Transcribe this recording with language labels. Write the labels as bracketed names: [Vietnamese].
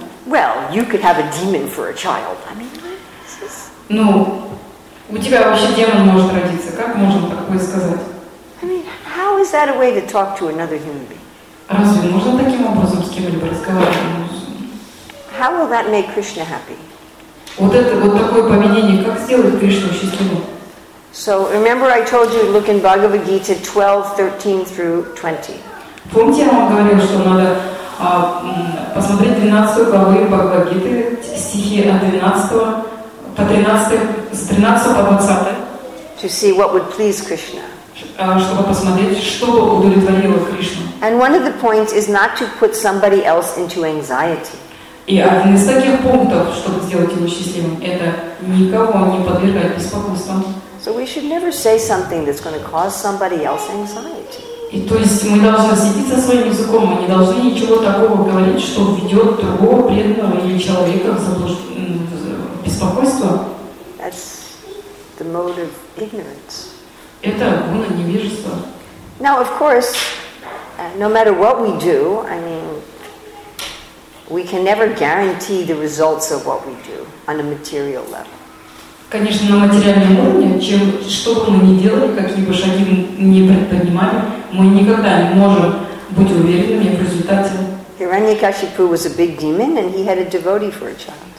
[English] Well, you could have a demon for a child. I mean, [Russian] ну, у тебя вообще демон может родиться. Как можно такое сказать? [English] I mean, how is that a way to talk to another human being? [Russian] Разве можно таким образом с кем-либо разговаривать? [English] How will that make Krishna happy? [Russian] Вот это вот такое поведение, как сделать Кришну счастливым? [English] So remember, I told you, look in Bhagavad Gita 12:13-20. [Russian] Помните, я вам говорила, что надо посмотреть 12 главы Бхагавад Гиты, стихи от 12 по 13, с 13 по 20. [English] To see what would please Krishna. [Russian] Чтобы посмотреть, что удовлетворило Кришну. [English] And one of the points is not to put somebody else into anxiety. [Russian] И один из таких пунктов, чтобы сделать его счастливым, это никого не подвергать беспокойствам. [English] So we should never say something that's going to cause somebody else anxiety. [Russian] И то есть мы должны следить за своим языком, мы не должны ничего такого говорить, что ведет другого преданного или человека в беспокойство. [English] That's the mode of ignorance. [Russian] Это гуна невежества. [English] Now, of course, no matter what we do, I mean, we can never guarantee the results of what we do on a material level. [Russian] Конечно, на материальном уровне, чем что бы мы ни делали, какие бы шаги ни предпринимали, мы никогда не можем быть уверенными в результате. [English] Hiranyakashipu was a big demon, and he had a devotee for a child.